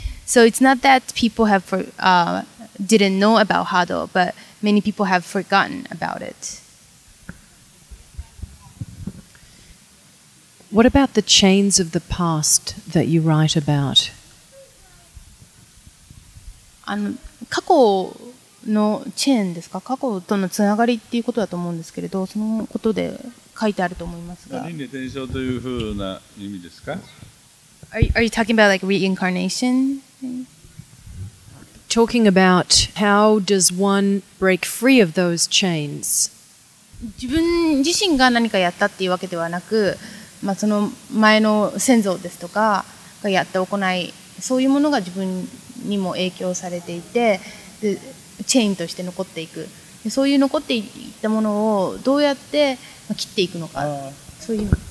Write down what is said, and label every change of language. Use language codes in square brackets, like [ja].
[en] So it's not that people have didn't know about Hado, but many people have forgotten about it. What about the chains of the past that you write about? [ja] 過去のチェーンですか、過去とのつながりっていうことだと思うんですけれど、そのことで書いてあると思いますが。輪廻転生というふうな意味ですか。 [en] Are you talking about like reincarnation? Talking about how does one break free of those chains? [ja] 自分自身が何かやったっていうわけではなく、まあ、その前の先祖ですとかがやった行い、そういうものが自分にも影響されていて、でチェーンとして残っていく。そういう残っていったものをどうやって切っていくのか、そういうの。